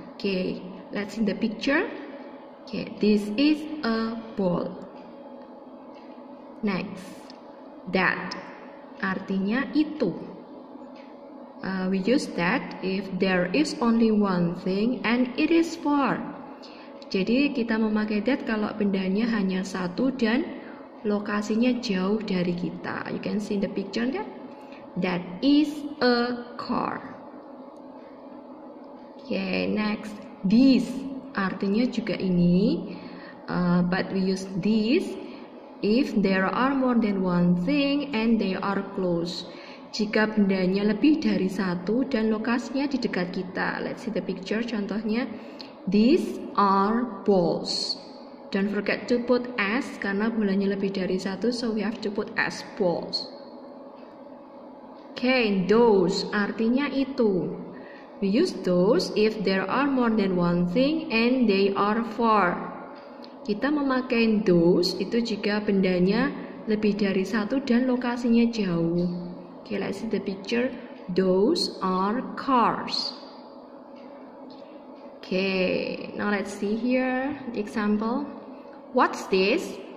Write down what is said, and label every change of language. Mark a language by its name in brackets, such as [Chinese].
[English] Okay, let's see the picture. Okay, this is a ball. [Indonesian] Next, that, artinya itu. [English] We use that if there is only one thing and it is far. [Indonesian] Jadi kita memakai that kalau bendanya hanya satu dan lokasinya jauh dari kita. [English] You can see the picture there. That is a car. [Indonesian] Okay, next, this, artinya juga ini. [English] But we use this if there are more than one thing and they are close. [Indonesian] Jika bendanya lebih dari satu dan lokasinya di dekat kita. [English] Let's see the picture, contohnya. These are balls. Don't forget to put S [Indonesian] karena bolanya lebih dari satu, [English] so we have to put S, balls. [Indonesian] Okay, those, artinya itu. [English] We use those if there are more than one thing and they are far. [Indonesian] Kita memakai those itu jika bendanya lebih dari satu dan lokasinya jauh. [English] Okay, let's see the picture. Those are cars. Okay, now let's see here the example. What's this?